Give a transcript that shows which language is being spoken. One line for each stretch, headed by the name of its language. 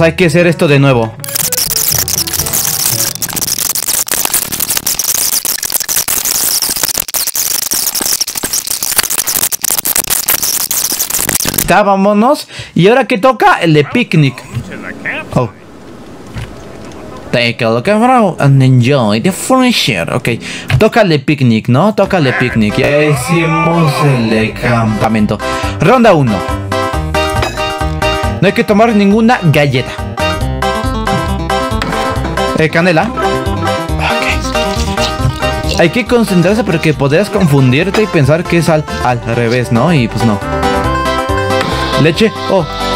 Spanish: Hay que hacer esto de nuevo. Está, vámonos. Y ahora que toca el de picnic. Oh.
English: Take a look around and enjoy the fresh air.
Spanish: Ok, toca el de picnic, ¿no? Toca el de picnic. Ya hicimos el de campamento. Ronda 1. No hay que tomar ninguna galleta. Canela. Ok. Hay que concentrarse porque podrías confundirte y pensar que es al revés, ¿no? Y pues no. Leche. Oh.